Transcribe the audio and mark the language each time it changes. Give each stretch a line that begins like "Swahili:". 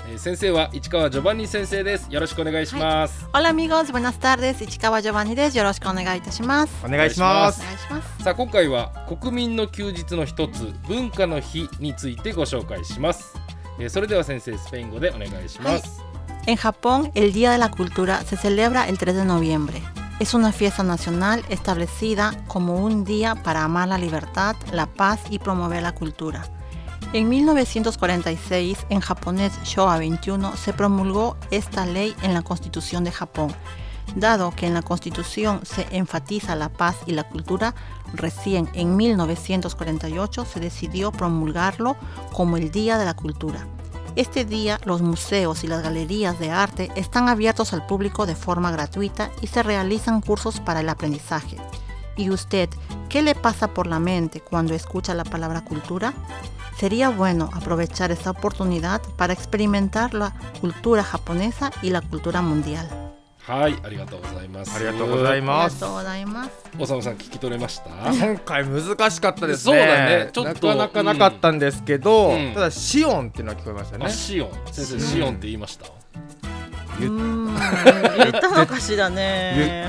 Japanese: 先生は市川ジョバンニ先生です。よろしくお願いします。オラミゴーズブナスタールです。市川ジョバンニです。よろしくお願いいたします。お願いします。さあ今回は国民の休日の一つ文化の日についてご紹介します。それでは先生スペイン語でお願いします。
Spanish: En Japón, el Día de la Cultura se celebra el 3 de noviembre. Es una fiesta nacional establecida como un día para amar la libertad, la paz y promover la cultura. En 1946, en japonés Showa 21, se promulgó esta ley en la Constitución de Japón. Dado que en la Constitución se enfatiza la paz y la cultura, recién en 1948 se decidió promulgarlo como el Día de la Cultura. Este día, los museos y las galerías de arte están abiertos al público de forma gratuita y se realizan cursos para el aprendizaje. ¿Y usted, qué le pasa por la mente cuando escucha la palabra cultura? Sería bueno aprovechar esta oportunidad para experimentar la cultura japonesa y la cultura mundial.
Japanese: はい、ありがとうございます。ありがとうございます。ありがとうございます。おさむさん聞き取れました？今回難しかったですね。そうだね。ちょっとなかなかなかったんですけど、うん、ただシオンっていうのは聞こえましたね。あ、シオン。先生、シオンって言いました？言ったのかしらね。